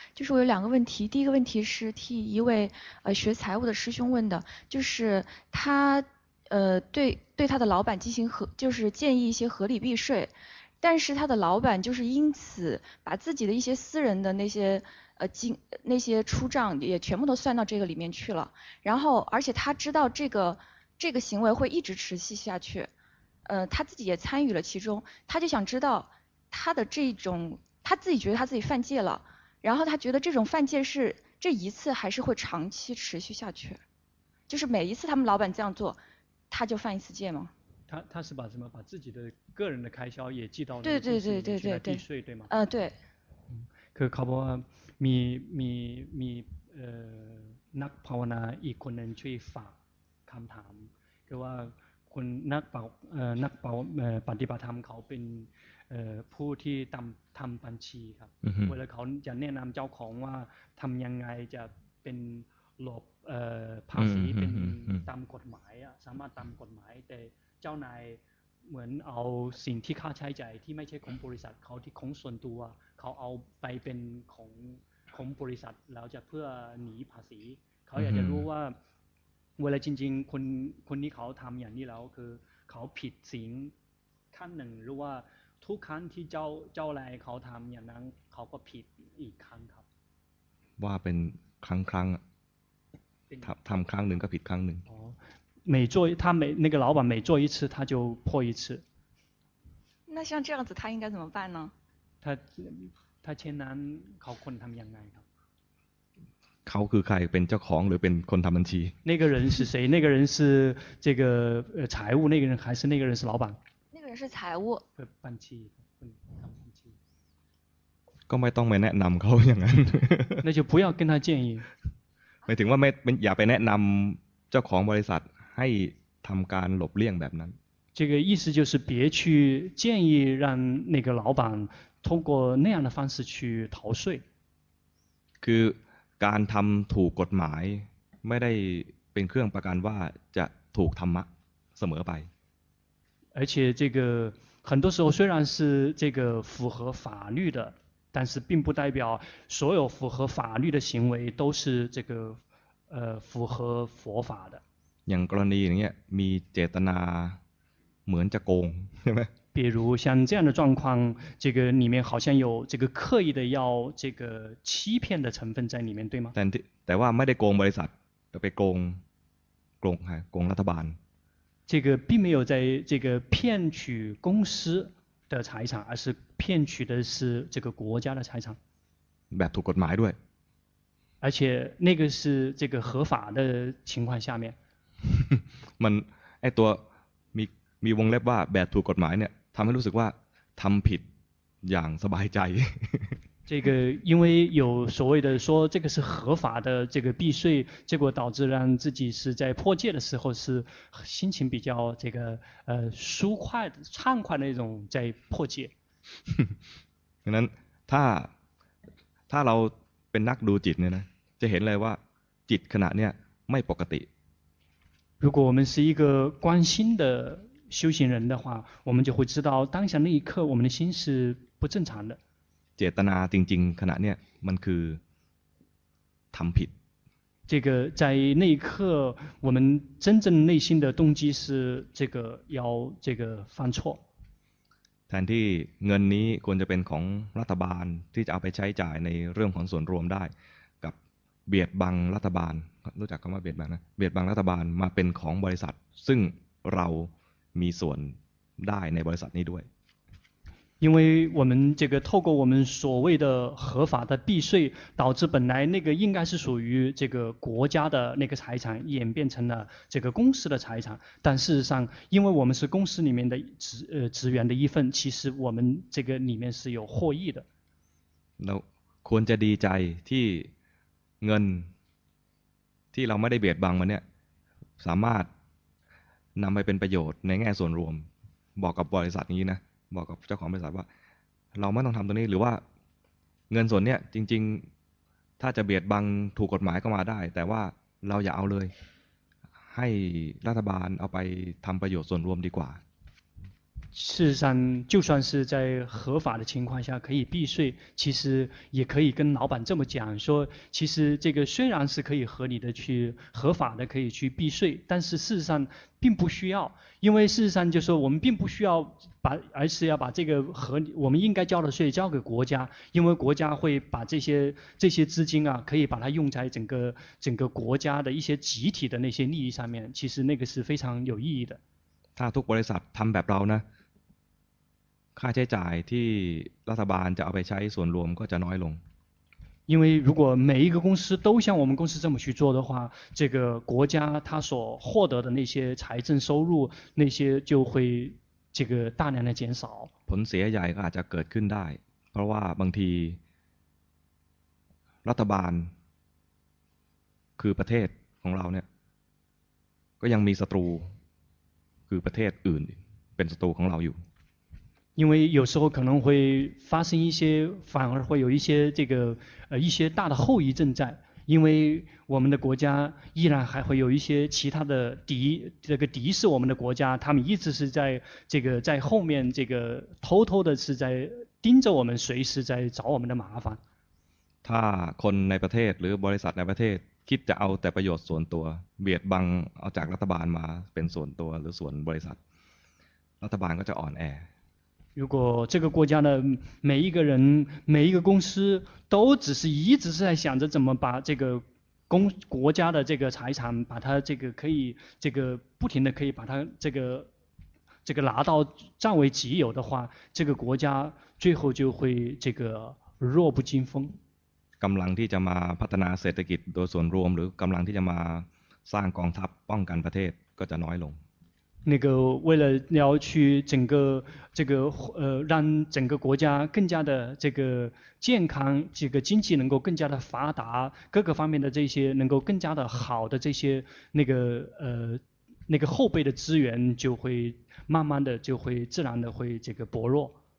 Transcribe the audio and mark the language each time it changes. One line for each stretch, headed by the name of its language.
Chinese: 就是我有两个问题，第一个问题是替一位学财务的师兄问的，就是他对他的老板进行就是建议一些合理避税，但是他的老板就是因此把自己的一些私人的那些那些出账也全部都算到这个里面去了，然后而且他知道这个行为会一直持续下去，他自己也参与了其中，他就想知道他的这种。他自己觉得他自己犯戒了，然后他觉得这种犯戒是这一次还是会长期持续下去，就是每一次他们老板这样做，他就犯一次戒吗？他是把什么？把自己的个人的开销也记到那对个公对司里面去来避对对对对，税，对吗？对。 그가보면미
Thai: นักภาวนาอีกคนหนึ่งช่วยฝากคำถามคือว่าคนนักเป่านักเป่าปฏิบัติธรรมเขาเป็น ผู้ที่ทำบัญชีครับเวลาเขาจะแนะนำเจ้าของว่าทำยังไงจะเป็นหลบภาษีเป็นตามกฎหมายอะสามารถตามกฎหมายแต่เจ้านายเหมือนเอาสิ่งที่ค่าใช้จ่ายที่ไม่ใช่ของบริษัทเขาที่ของส่วนตัวเขาเอาไปเป็นของบริษัทแล้วจะเพื่อหนีภาษีเขาอยากจะรู้ว่า เวลาจริงๆคนนี้เขาทำอย่างนี้แล้วคือเขาผิดศีลขั้นหนึ่งหรือว่าทุกครั้งที่เจ้านายเขาทำอย่างนั้นเขาก็ผิดอีกครั้งครับ ว่าเป็นครั้งครั้งทำครั้งหนึ่งก็ผิดครั้งหนึ่ง
Chinese: 每做他每那个老板每做一次他就破一次。那像这样子他应该怎么办呢？他前男
Thai: เขาคนทำยังไงครับ？ เขาคือใครเป็นเจ้าของหรือเป็นคนทำบัญชี？
Chinese: 那个人是谁？那个人是这个财务那个人还是那个人是老板？那个人是财务。
Thai: บัญชีคนทำบัญชี。 ก็ไม่ต้องไปแนะนำเขาอย่างนั้น。
Chinese: 那就不要跟他建议。
Thai: หมายถึงว่าไม่อย่าไปแนะนำเจ้าของบริษัทให้ทำการหลบเลี่ยงแบบนั้น
Chinese: 这个意思就是别去建议让那个老板通过那样的方式去逃税
Thai: คือการทำถูกกฎหมายไม่ได้เป็นเครื่องประกันว่าจะถูกธรรมะเสมอไป
Chinese: 而且这个很多时候虽然是这个符合法律的但是并不代表所有符合法律的行为都是这个符合佛法的
Thai: อย่างกรณีอย่างเงี้ยมีเจตนาเหมือนจะโกงใช่ไหม
Chinese: 比如像这样的状况这个里面好像有这个刻意的要这个欺骗的成分在里面对吗
Thai: แต่ว่าไม่ได้โกงบริษัทแต่ไปโกงใช่โกงรัฐบาล
Chinese: 这个并没有在这个骗取公司的财产而是骗取的是这个国家的财产
Thai: แบบถูกกฎหมายด้วย
Chinese: 而且那个是这个合法的情况下面
Thai: มันไอตัวมีวงเล็บว่าแบบถูกกฎหมายเนี่ยทำให้รู้สึกว่าทำผิดอย่างสบายใจ
Chinese: 这个因为有所谓的说这个是合法的这个避税结果导致让自己是在破戒的时候是心情比较这个舒快畅快的一种在破戒
Thai: ดังนั้นถ้าเราเป็นนักดูจิตเนี่ยนะจะเห็นเลยว่าจิตขณะเนี่ยไม่ปกติ
Chinese: 如果我们是一个关心的修行人的话，我们就会知道当下那一刻我们的心是不正常的。
Thai: เจตนาจริงๆขณะเนี้ยมันคือทำผิด。
Chinese: 这个在那一刻，我们真正内心的动机是这个要这个犯错。
Thai: แทนที่เงินนี้ควรจะเป็นของรัฐบาลที่จะเอาไปใช้จ่ายในเรื่องของส่วนรวมได้เบียดบังรัฐบาลรู้จักคำว่าเบียดบังนะเบียดบังรัฐบาลมาเป็นของบริษัทซึ่งเรามีส่วนได้ในบริษัทนี้ด้วย
Chinese: 因为我们这个透过我们所谓的合法的避税导致本来那个应该是属于这个国家的那个财产演变成了这个公司的财产但事实上因为我们是公司里面的职员的一份其实我们这个里面是有获益的
Thai: เราควรจะดีใจที่เงินที่เราไม่ได้เบียดบังมันเนี่ยสามารถนำไปเป็นประโยชน์ในแง่ส่วนรวมบอกกับบริษัทนี้นะบอกกับเจ้าของบริษัทว่าเราไม่ต้องทำตรงนี้หรือว่าเงินส่วนเนี้ยจริงๆถ้าจะเบียดบังถูกกฎหมายก็มาได้แต่ว่าเราอย่าเอาเลยให้รัฐบาลเอาไปทำประโยชน์ส่วนรวมดีกว่า
Chinese: 事实上就算是在合法的情况下可以避税，其实也可以跟老板这么讲说，其实这个虽然是可以合理的去合法的可以去避税，但是事实上并不需要，因为事实上就是说我们并不需要把，而是要把这个合理我们应该交的税交给国家，因为国家会把这些资金啊可以把它用在整个国家的一些集体的那些利益上面，其实那个是非常有意义的。
Thai: ถ้าทุกบริษัททำแบบเรานะค่าใช้จ่ายที่รัฐบาลจะเอาไปใช้ส่วนรวมก็จะน้อยลง
Chinese: 因为如果每一个公司都像我们公司这么去做的话，这个国家它所获得的那些财政收入那些就会这个大量的减少。
Thai: ผลเสียใหญ่ก็อาจจะเกิดขึ้นได้เพราะว่าบางทีรัฐบาลคือประเทศของเราเนี่ยก็ยังมีศัตรูคือประเทศอื่นเป็นศัตรูของเราอยู่
Chinese: 因为有时候可能会发生一些反而会有一些这个一些大的后遗症在，因为我们的国家依然还会有一些其他的敌，这个敌是我们的国家，他们一直是在这个在后面这个偷偷的是在盯着我们，随时在找我们的麻烦。
Thai: ถ้าคนในประเทศหรือบริษัทในประเทศคิดจะเอาแต่ประโยชน์ส่วนตัวเบียดบังเอาจากรัฐบาลมาเป็นส่วนตัวหรือส่วนบริษัทรัฐบาลก็จะอ่อนแ
Chinese: อ如果这个国家的每一个人每一个公司都只是一直是在想着怎么把这个国家的这个财产把它这个可以这个不停的可以把它这个拿到占为己有的话，这个国家最后就会这个弱不禁风。
Thai: กำลังที่จะมาพัฒนาเศรษฐกิจโดยส่วนรวมหรือกำลังที่จะมาสร้างกองทัพป้องกันประเทศก็จะน้อยลง
Chinese: 那个为了要去整个这个让整个国家更加的这个健康，这个经济能够更加的发达，各个方面的这些能够更加的好的这些那个后备的资源就会慢慢的就会自然的会这个薄弱。